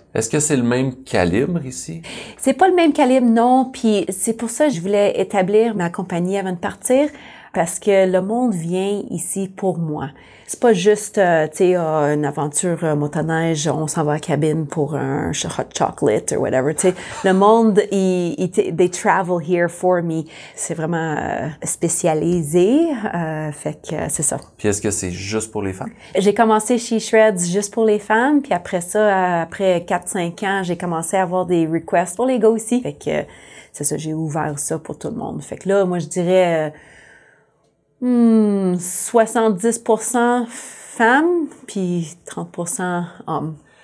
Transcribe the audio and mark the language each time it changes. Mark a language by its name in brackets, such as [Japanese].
[French] Est-ce que c'est le même calibre ici? C'est pas le même calibre, non. Puis c'est pour ça que je voulais établir ma compagnie avant de partir parce que le monde vient ici pour moi. C'est pas juste, tu sais, une aventure motoneige, on s'en va à la cabine pour un [English] hot chocolate or whatever, [French] tu sais. Le monde, [English] they travel here for me. [French] C'est vraiment spécialisé, fait que c'est ça. Puis est-ce que c'est juste pour les femmes? J'ai commencé chez Shreds juste pour les femmes, puis après ça, après 4-5 ans, j'ai commencé à avoir des requests pour les gars aussi. Fait que c'est ça, j'ai ouvert ça pour tout le monde. Fait que là, moi, je dirais 70% femmes, puis 30% hommes.